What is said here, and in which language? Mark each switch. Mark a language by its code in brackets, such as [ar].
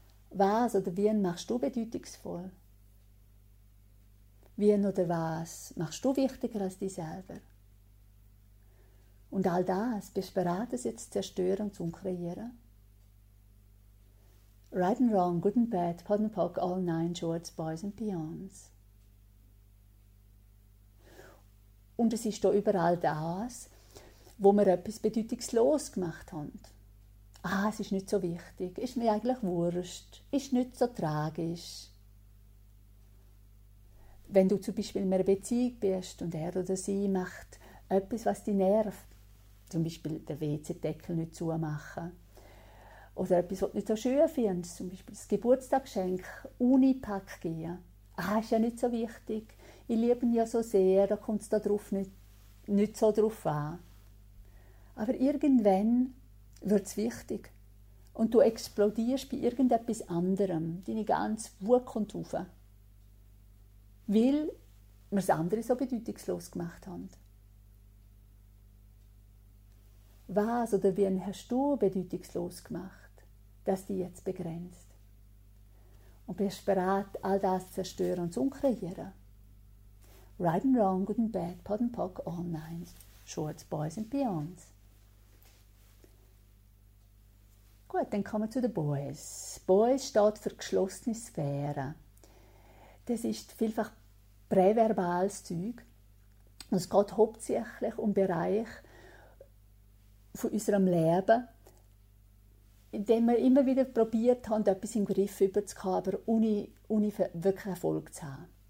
[de] Was oder wen machst du bedeutungsvoll? Wen oder was machst du wichtiger als dich selber? Und all das, bist du bereit, es jetzt zu zerstören und zu umkreieren? [en] Right and wrong, good and bad, pot and pock, all nine, shorts, boys and beyonds. [de] Und es ist da überall das, wo wir etwas bedeutungslos gemacht haben. Ah, es ist nicht so wichtig, ist mir eigentlich wurscht, ist nicht so tragisch. Wenn du zum Beispiel in einer Beziehung bist und er oder sie macht etwas, was dich nervt, zum Beispiel den WC-Deckel nicht zumachen. Oder etwas, was du nicht so schön findest. Zum Beispiel das Geburtstagsgeschenk, Unipack gehen. Ah, ist ja nicht so wichtig. Ich liebe ihn ja so sehr, da kommt es darauf nicht so drauf an. Aber irgendwann wird es wichtig. Und du explodierst bei irgendetwas anderem. Deine ganze Wut kommt rauf. Weil wir das andere so bedeutungslos gemacht haben. Was oder wen hast du bedeutungslos gemacht, dass dich jetzt begrenzt? Und bist bereit, all das zu zerstören und zu umkreieren? [en] Right and wrong, good and bad, pot and pock, all nine, shorts, boys and beyonds. [de] Gut, dann kommen wir zu den Boys. Boys steht für geschlossene Sphäre. Das ist vielfach präverbales Zeug. Es geht hauptsächlich um Bereiche von unserem Leben, in dem wir immer wieder probiert haben, etwas im Griff überzukommen, aber ohne wirklich Erfolg zu haben.